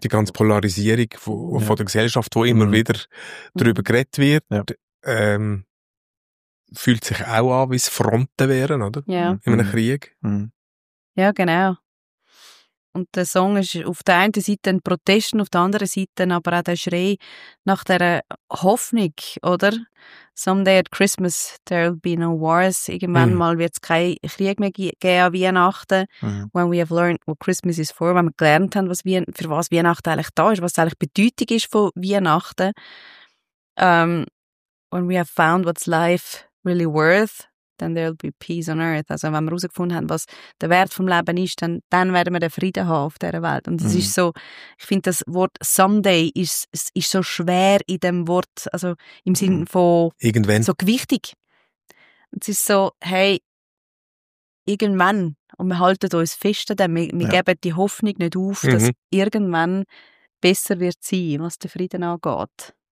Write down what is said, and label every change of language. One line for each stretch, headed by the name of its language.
German: Die ganze Polarisierung von der Gesellschaft, wo immer wieder darüber geredet wird, fühlt sich auch an, wie es Fronten wären, oder? Ja. In einem Krieg. Ja, genau. Und der Song ist auf der einen Seite ein Protest, auf der anderen Seite aber auch der Schrei nach der Hoffnung, oder?
English: Someday at Christmas there will be no wars.
German: Irgendwann mal wird es keinen Krieg mehr geben an Weihnachten. Mhm.
English: When we have learned what Christmas is for,
German: wenn wir gelernt haben, für was Weihnachten eigentlich da ist, was eigentlich die Bedeutung ist von Weihnachten.
English: When we have found what's life really worth, then there will be peace on earth.
German: Also wenn wir herausgefunden haben, was der Wert vom Leben ist, dann werden wir den Frieden haben auf dieser Welt. Und es ist so, ich finde das Wort someday ist so schwer in dem Wort, also im Sinne von irgendwann. So gewichtig. Es ist so, hey, irgendwann, und wir halten uns fest an dem, wir geben die Hoffnung nicht auf, dass irgendwann besser wird sein, was den Frieden angeht.